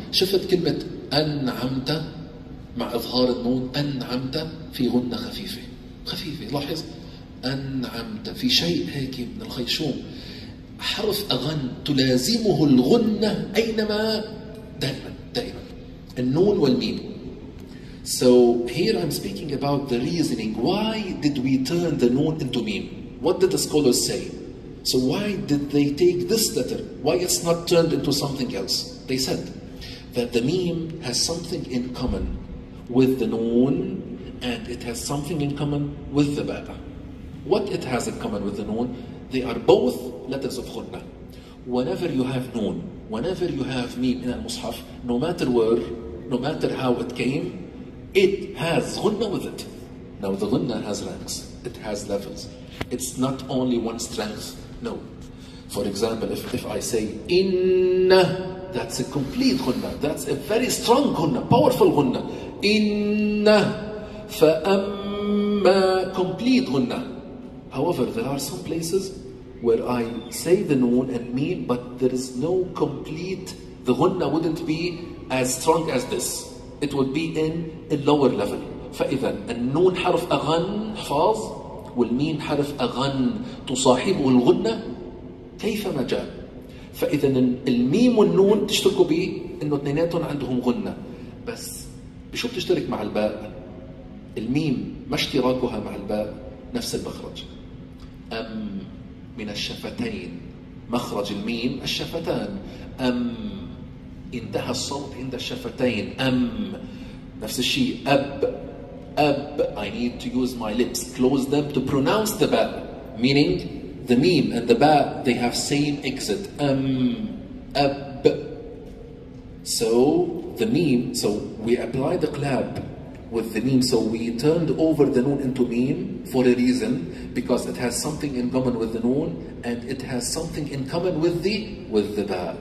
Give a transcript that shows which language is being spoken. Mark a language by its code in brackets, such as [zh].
[ar] شفت كلمة أنعمت مع إظهار النون؟ أنعمت في غنة خفيفة خفيفة. لاحظ أنعمت في شيء هيك من الخيشوم. حرف أغن تلازمه الغنة أينما دائما دائما النون والميم. [en] So here I'm speaking about the reasoning. Why did we turn the noon into meme? What did the scholars say? So why did they take this letter? Why it's not turned into something else? They said that the meme has something in common with the noon and it has something in common with the ba'a. What it has in common with the noon? They are both letters of khunna. Whenever you have noon, whenever you have ميم in the Mus'haf, no matter where, no matter how it came, it has غنة with it. Now the غنة has ranks. It has levels. It's not only one strength. No. For example, if I say إِنَّ, that's a complete غنة. That's a very strong غنة, powerful غنة. إِنَّ فَأَمَّا complete غنة. However, there are some places where I say the noon and meme, but there is no complete, the ghunna wouldn't be as strong as this. It would be in a lower level. [ar] فإذا النون حرف أغن حفاظ والميم حرف أغن تصاحبه الغنة كيفما جاء. فإذا الميم والنون تشتركوا به أنه اثنيناتهم عندهم غنة. بس بشو بتشترك مع الباء؟ الميم ما اشتراكها مع الباء نفس المخرج. أم من الشفتين، مخرج الميم الشفتان، أم انتهى الصوت عند الشفتين، أم نفس الشيء. [en] أب I need to use my lips, close them to pronounce the ba, meaning the ميم and the ba they have same exit. [ar] أم أب. [en] So the ميم, so we apply the قلاب with the meme, so we turned over the noon into meme for a reason, because it has something in common with the noon and it has something in common with the ba.